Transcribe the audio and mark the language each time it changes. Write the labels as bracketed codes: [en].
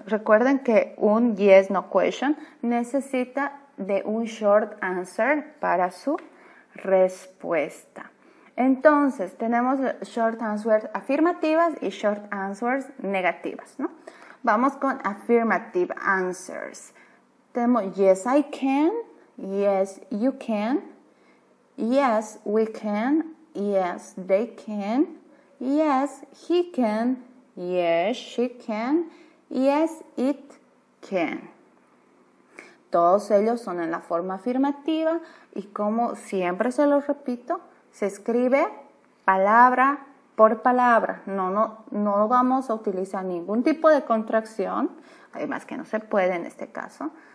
[es] Recuerden que un yes, no question necesita de un short answer para su respuesta. Entonces, tenemos short answers afirmativas y short answers negativas, ¿no? Vamos con affirmative answers. Tenemos [en] yes, I can, yes, you can, yes, we can, yes, they can, yes, he can, yes, she can, yes, it can. [es] Todos ellos son en la forma afirmativa y como siempre se los repito, se escribe palabra por palabra. No vamos a utilizar ningún tipo de contracción, además que no se puede en este caso.